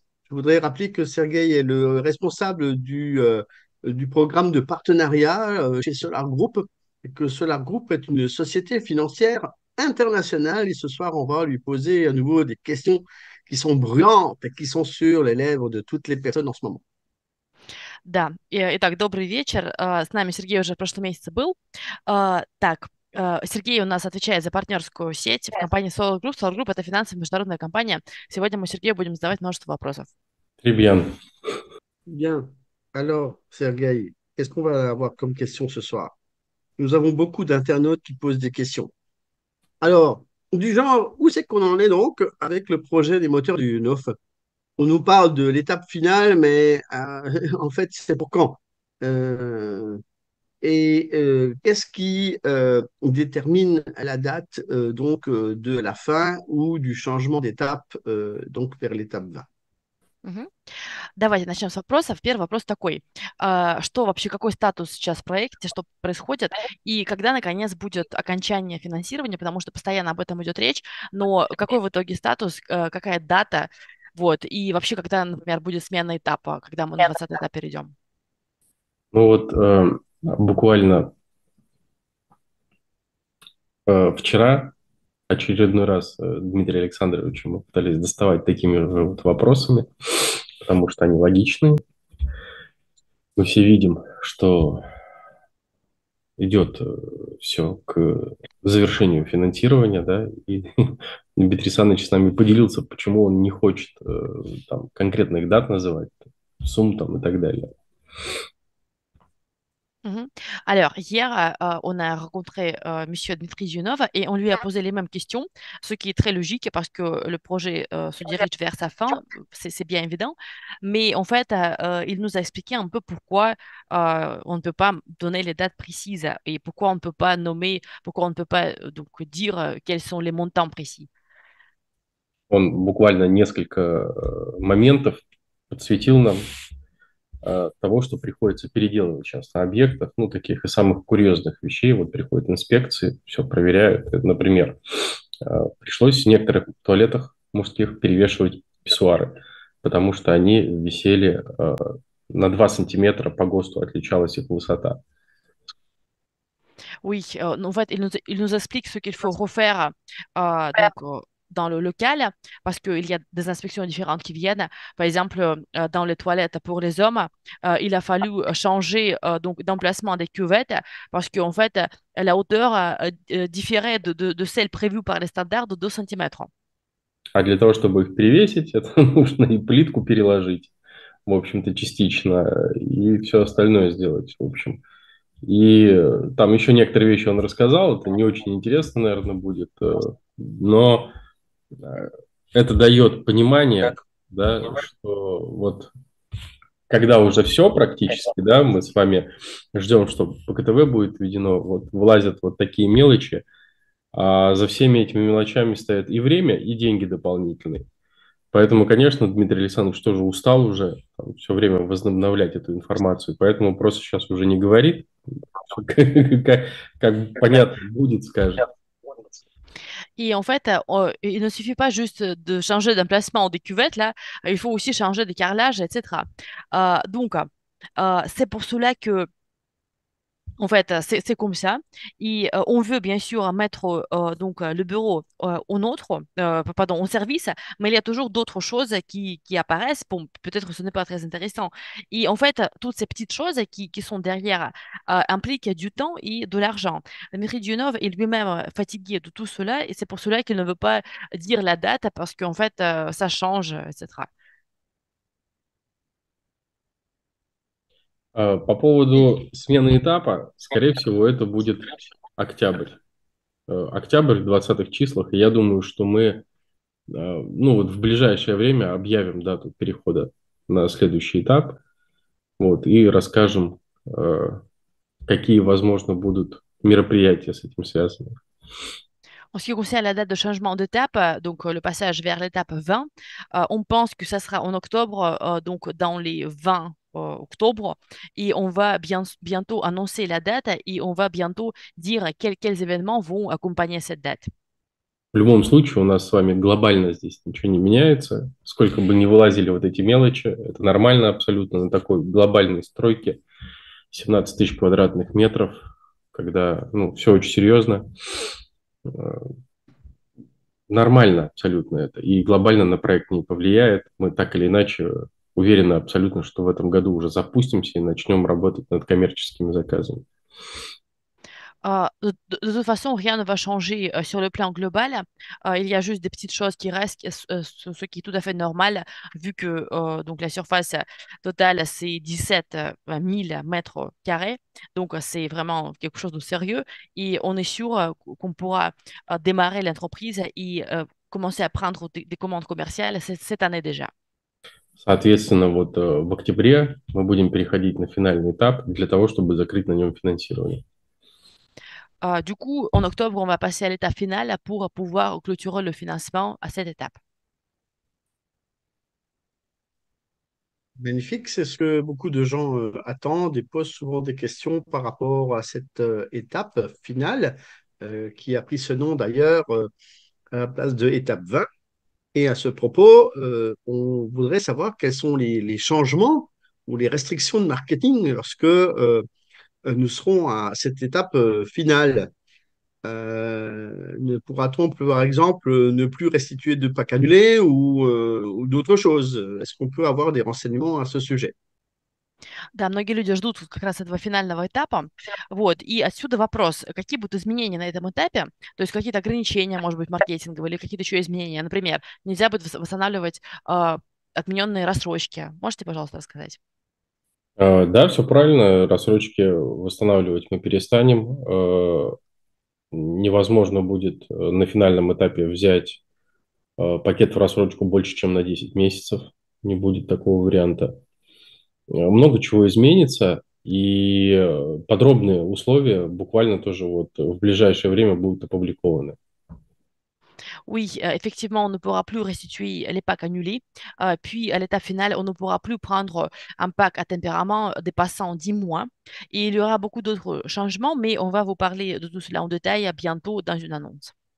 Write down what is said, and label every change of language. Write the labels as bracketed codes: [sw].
[fr] Je voudrais rappeler que Sergueï est le responsable du programme de partenariat chez Solar Group, et que Solar Group est une société financière internationale. Et ce soir, on va lui poser à nouveau des questions qui sont brûlantes et qui sont sur les lèvres de toutes les personnes en ce moment. [ru] Да. Итак, добрый вечер. С нами Сергей уже в прошлом месяце был. Сергей у нас отвечает за партнерскую сеть в компании Solar Group. Solar Group — это финансовая международная компания. Сегодня мы Сергею будем задавать множество вопросов. [fr] Très Bien. Alors, Sergueï, qu'est-ce qu'on va avoir comme question ce soir? Nous avons beaucoup d'internautes qui posent des questions. Alors, du genre, où c'est qu'on en est donc avec le projet des moteurs du NOF? On nous parle de l'étape finale, mais en fait, c'est pour quand? Qu'est-ce qui détermine la date donc de la fin ou du changement d'étape donc vers l'étape 20? [ru] Давайте начнем с вопросов. Первый вопрос такой. Что вообще, какой статус сейчас в проекте, что происходит, и когда, наконец, будет окончание финансирования, потому что постоянно об этом идет речь, но какой в итоге статус, какая дата, вот, и вообще, когда, например, будет смена этапа, когда мы на 20-й этап перейдем? Ну вот буквально вчера очередной раз Дмитрий Александрович мы пытались доставать такими же вот вопросами, потому что они логичны. Мы все видим, что идет все к завершению финансирования, да, и Дмитрий Александрович с нами поделился, почему он не хочет там, конкретных дат называть, сумм там и так далее. [fr] Alors, hier, on a rencontré Monsieur Dmitri Zhunov et on lui a posé les mêmes questions, ce qui est très logique parce que le projet se dirige vers sa fin, c'est bien évident. Mais en fait, il nous a expliqué un peu pourquoi on ne peut pas donner les dates précises et pourquoi on ne peut pas nommer, pourquoi on ne peut pas donc dire quels sont les montants précis. [ru] Он буквально несколько моментов подсветил нам того, что приходится переделывать сейчас на объектах, ну, таких и самых курьезных вещей. Вот приходят инспекции, все проверяют. Например, пришлось в некоторых туалетах мужских перевешивать писсуары, потому что они висели на 2 сантиметра по ГОСТу, отличалась их высота. [fr] Oui, en fait, il nous explique ce qu'il faut refaire donc, dans le local, parce qu'il y a des inspections différentes qui viennent. Par exemple, dans les toilettes pour les hommes, il a fallu changer donc d'emplacement des cuvettes, parce qu'en fait, la hauteur différait de celle prévue par les standards de 2 cm. [ru] А для того, чтобы их перевесить, это нужно и плитку переложить, в общем-то, частично, и все остальное сделать, в общем. И там еще некоторые вещи он рассказал, это не очень интересно, наверное, будет, но это дает понимание, да, что вот когда уже все практически, да, мы с вами ждем, что ПКТВ будет введено, вот влазят вот такие мелочи. А за всеми этими мелочами стоят и время, и деньги дополнительные. Поэтому, конечно, Дмитрий Александрович тоже устал уже там, все время возобновлять эту информацию, поэтому просто сейчас уже не говорит. Как понятно будет, скажет. [fr] Et en fait, il ne suffit pas juste de changer d'emplacement des cuvettes, là, il faut aussi changer des carrelages, etc. Donc, c'est pour cela que En fait, c'est comme ça. Et on veut bien sûr mettre donc le bureau en autre, pardon, en service, mais il y a toujours d'autres choses qui apparaissent. Bon, peut-être que ce n'est pas très intéressant. Et en fait, toutes ces petites choses qui sont derrière impliquent du temps et de l'argent. Méridionov est lui-même fatigué de tout cela et c'est pour cela qu'il ne veut pas dire la date parce qu'en fait, ça change, etc. [ru] По поводу смены этапа, скорее всего, это будет октябрь. Октябрь в 20-х числах, и я думаю, что мы ну, вот в ближайшее время объявим дату перехода на следующий этап, вот, и расскажем, какие, возможно, будут мероприятия с этим связаны. [fr] En ce qui concerne la date de changement d'étape, donc le passage vers l'étape 20, on pense que ça sera en octobre, donc dans les 20 octobre, et on va bientôt annoncer la date et on va bientôt dire quels événements vont accompagner cette date. [ru] В любом случае, у нас с вами глобально здесь ничего не меняется. Сколько бы ни вылазили вот эти мелочи, это нормально абсолютно на такой глобальной стройке 17 тысяч квадратных метров, когда, ну, все очень серьезно. Нормально абсолютно это. И глобально на проект не повлияет. Мы так или иначе уверены абсолютно, что в этом году уже запустимся и начнем работать над коммерческими заказами. [fr] De toute façon, rien ne va changer sur le plan global. Il y a juste des petites choses qui restent, ce qui est tout à fait normal, vu que donc la surface totale, c'est 17 000 mètres carrés. Donc, c'est vraiment quelque chose de sérieux. Et on est sûr qu'on pourra démarrer l'entreprise et commencer à prendre des commandes commerciales cette année déjà. [ru] Соответственно, вот в октябре мы будем переходить на финальный этап для того, чтобы закрыть на нем финансирование. [fr] Du coup, en octobre, on va passer à l'étape finale pour pouvoir clôturer le financement à cette étape. Magnifique, c'est ce que beaucoup de gens attendent et posent souvent des questions par rapport à cette étape finale, qui a pris ce nom d'ailleurs à la place de étape 20. Et à ce propos, on voudrait savoir quels sont les changements ou les restrictions de marketing lorsque nous serons à cette étape finale. Ne pourra-t-on, par exemple, ne plus restituer de packs annulés ou d'autres choses? Est-ce qu'on peut avoir des renseignements à ce sujet? [ru] Да, многие люди ждут как раз этого финального этапа. Вот. И отсюда вопрос, какие будут изменения на этом этапе, то есть какие-то ограничения, может быть, маркетинговые или какие-то еще изменения. Например, нельзя будет восстанавливать отмененные рассрочки. Можете, пожалуйста, рассказать? Да, все правильно. Рассрочки восстанавливать мы перестанем. Невозможно будет на финальном этапе взять пакет в рассрочку больше, чем на 10 месяцев. Не будет такого варианта. Много чего изменится, и подробные условия буквально тоже вот в ближайшее время будут опубликованы. [fr] Oui, effectivement, on ne pourra plus restituer les packs annulés. Puis, à l'étape finale, on ne pourra plus prendre un pack à tempérament dépassant 10 mois. Et il y aura beaucoup d'autres changements, mais on va vous parler de tout cela en détail bientôt dans une annonce.